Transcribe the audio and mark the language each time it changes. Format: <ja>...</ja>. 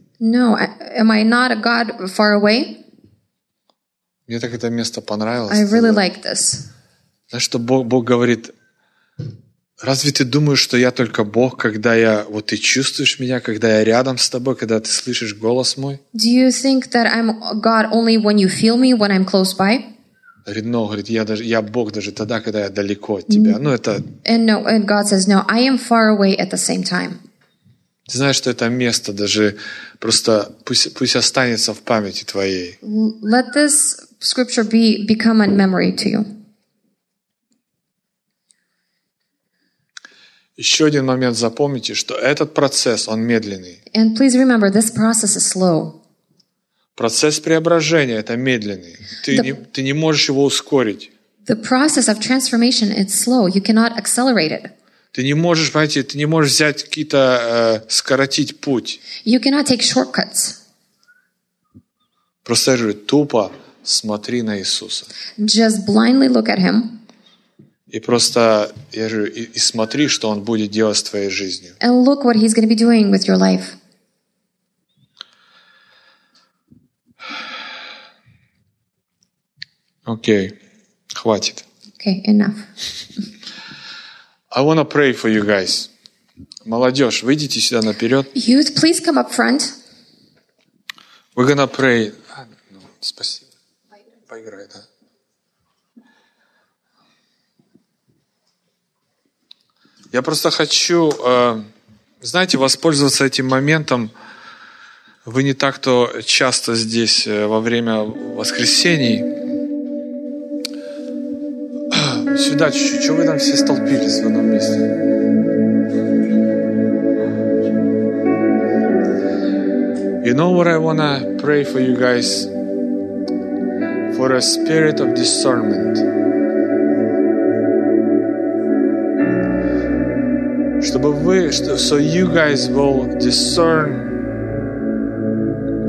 <en>No, am I not a God far away?</en> <ru>Мне так это место понравилось.</ru> <en>I really like this.</en> <ru>Знаешь, что Бог говорит, разве ты думаешь, что я только Бог, когда я, вот ты чувствуешь меня, когда я рядом с тобой, когда ты слышишь голос мой?</ru> <en>Do you think that I'm God only when you feel me, when I'm close by?</en> <ru>Говорит, no, говорит, я Бог даже тогда, когда я далеко от тебя. Ну, это...</ru> <en>And no, and God says, no, I am far away at the same time.</en> <ru>Ты знаешь, что это место даже просто пусть останется в памяти твоей.</ru> <en>Let this scripture become a memory to you.</en> <ru>Еще один момент запомните, что этот процесс, он медленный.</ru> <en>And please remember, this process is slow.</en> <ru>Процесс преображения — это медленный. Ты не можешь его ускорить.</ru> <en>The process of transformation, it's slow. You cannot accelerate it.</en> <ru>Ты не можешь, понимаете, ты не можешь взять какие-то, скоротить путь.</ru> <en>You cannot take shortcuts.</en> <ru>Просто говорю, тупо смотри на Иисуса.</ru> <en>Just blindly look at Him.</en> <ru>И просто, я говорю, и смотри, что Он будет делать с твоей жизнью.</ru> <en>And look what He's going to be doing with your life.</en> <ru>Окей, хватит.</ru> <en>Okay, enough. I want to pray for you guys.</en> <ru>Молодежь, выйдите сюда наперед.</ru> <en>Youth, please come up front. We're going to pray.</en> <ru>Ну, спасибо. Поиграй, да. Я просто хочу, знаете, воспользоваться этим моментом. Вы не так-то часто здесь во время воскресений. Сюда чуть-чуть. Чего вы там все столпились в одном месте?</ru> <en>You know what I want to pray for you guys? For a spirit of discernment.</en> <ru>Чтобы вы...</ru> <en>So you guys will discern.</en>